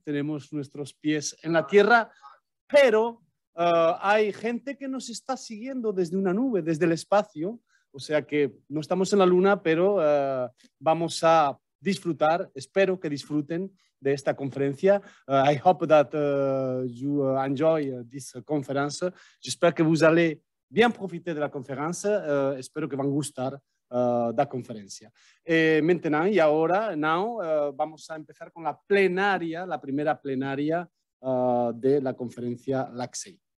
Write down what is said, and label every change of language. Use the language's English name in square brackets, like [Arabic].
[Spanish] Tenemos nuestros pies en la tierra, pero hay gente que nos está siguiendo desde una nube, desde el espacio, o sea que no estamos en la luna, pero vamos a disfrutar, espero que disfruten de esta conferencia. [English] I hope that you enjoy this conference. [French] J'espère que vous allez bien profiter de la conferencia. [Spanish] Espero que van a gustar la conferencia. Maintenant, y ahora, now, vamos a empezar con la plenaria, la primera plenaria de la conferencia LACSEI.